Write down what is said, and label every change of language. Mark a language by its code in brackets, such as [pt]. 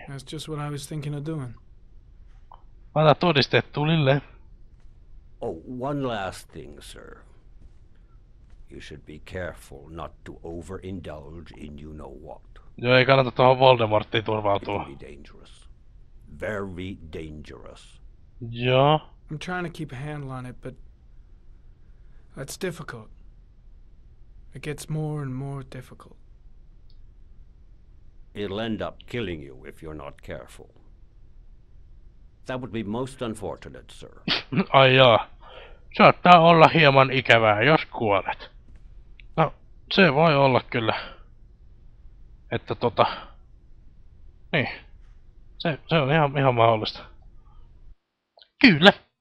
[en] That's just what I was thinking of doing. [fi] Anna todiste Tulille. [en] Oh, one last thing, sir. You should be careful not to overindulge in you know what. [fi] Joo, ei kannata tuohon Voldemorttiin turvautua. [en] It'll be dangerous. Very dangerous. [fi] Joo. [en] I'm trying to keep a handle on it, but that's difficult. It gets more and more difficult. It'll end up killing you if you're not careful. That would be most unfortunate, sir. [fi] Ai joo. Saattaa olla hieman ikävää, jos kuolet. No, se voi olla kyllä. Että tota... Niin. Se on ihan mahdollista. Kyllä!